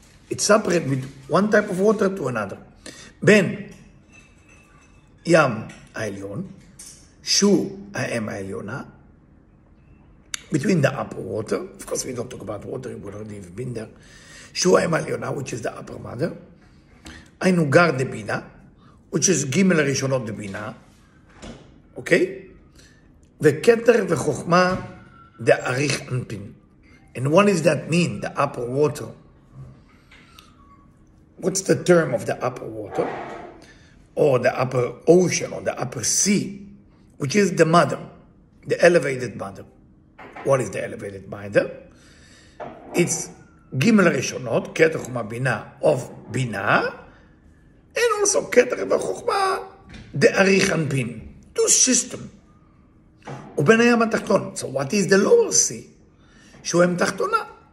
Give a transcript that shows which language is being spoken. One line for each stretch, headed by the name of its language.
English: It's separate with one type of water to another.
Hebrew: Ben yam ha'elyon, shu ha'em ha'elyona,
English: between the upper water, of course we don't talk about water, we already have been there, shu ha'em ha'elyona, which is the upper mother,
Hebrew: ha'inu gar debina,
English: which is
Hebrew: gimel rishonot debina,
English: okay?
Hebrew: וכתר וחוכמה דאריך אנפין.
English: And what does that mean, the upper water? What's the term of the upper water? Or the upper ocean, or the upper sea, which is the mother, the elevated mother. What is the elevated mother? It's
Hebrew: גימל ראשונות, כתר חוכמה בינה,
English: of בינה, and also
Hebrew: כתר וחוכמה דאריך אנפין.
English: Two systems.
Hebrew: ובין הים התחתון.
English: So what is the lower sea?
Hebrew: שהוא הים תחתונה.